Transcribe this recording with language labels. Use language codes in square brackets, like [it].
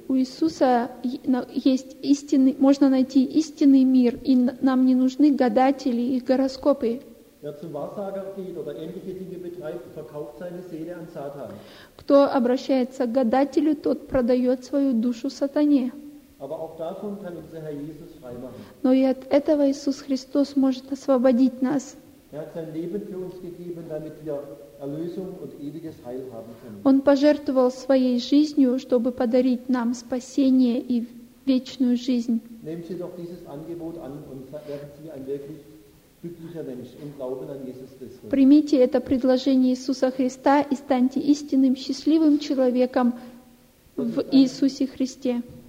[ru] У Иисуса есть истинный, можно найти истинный мир, и нам не нужны гадатели и гороскопы. [de] Wer zum Wahrsager geht oder ähnliche Dinge betreibt, verkauft seine Seele an Satan. [ru] Кто обращается к гадателю, тот продает свою душу сатане. [de] Aber auch davon kann unser Herr Jesus frei machen. [ru] Но и от этого Иисус Христос может освободить нас. [de] Er hat sein Leben für uns gegeben, damit wir Erlösung und ewiges Heil haben können. [ru] Он пожертвовал своей жизнью, чтобы подарить нам спасение и вечную жизнь. [de] Nehmen Sie doch dieses Angebot an und werden Sie ein wirklich glücklicher Mensch im Glauben an Jesus Christus. [ru] Примите это предложение Иисуса Христа и станьте истинным счастливым человеком в Иисусе Христе.